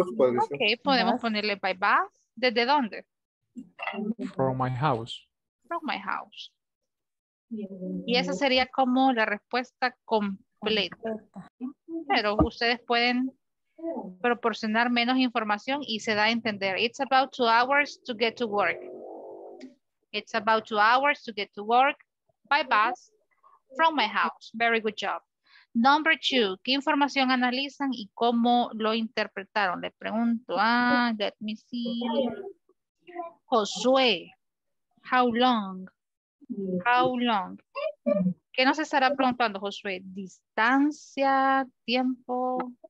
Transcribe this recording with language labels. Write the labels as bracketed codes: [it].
[es] Ok, podemos ponerle [en] by bus. [es] ¿Desde dónde? [en] From my house. From my house. [es] Y esa sería como la respuesta completa. Pero ustedes pueden proporcionar menos información y se da a entender. [en] It's about 2 hours to get to work. It's about 2 hours to get to work by bus from my house. Very good job. Number two, [es] ¿qué información analizan y cómo lo interpretaron? Le pregunto, [en] let me see. Josué, how long? How long? [es] ¿Qué nos estará preguntando, Josué? ¿Distancia, tiempo?